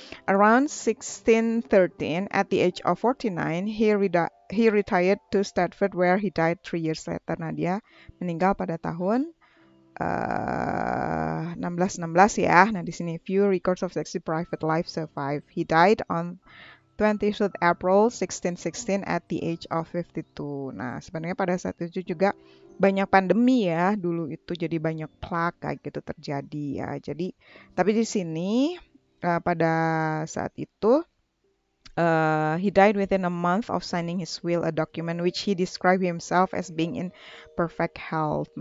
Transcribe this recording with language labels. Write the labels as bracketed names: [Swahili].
[English] Around 1613, at the age of 49, he retired to Stratford where he died 3 years later. [Indonesian] Nah, dia meninggal pada tahun 1616 ya. Nah, di sini [English] few records of sexy private life survive. He died on 23 April 1616 at the age of 52. [Indonesian] Nah, sebenarnya pada saat itu juga banyak pandemi ya dulu itu, jadi banyak plague kayak gitu terjadi ya. Jadi tapi di sini pada saat itu [English] he died within a month of signing his will, a document which he described himself as being in perfect health.